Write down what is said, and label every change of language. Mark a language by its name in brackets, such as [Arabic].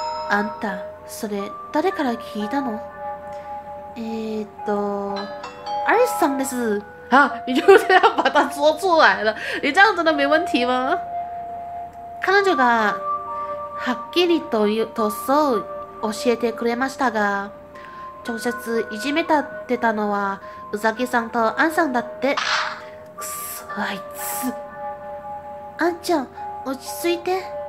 [Japanese] あんた、それ、誰から聞いたの？アリスさんです。 [Chinese] あ、你就这样把他捉出来了。你这样真的没问题吗？ [Japanese] 彼女が、はっきりと言うとそう教えてくれましたが、直接いじめたってたのはウサギさんとアンさんだって。くそ、あいつ。アンちゃん、落ち着いて。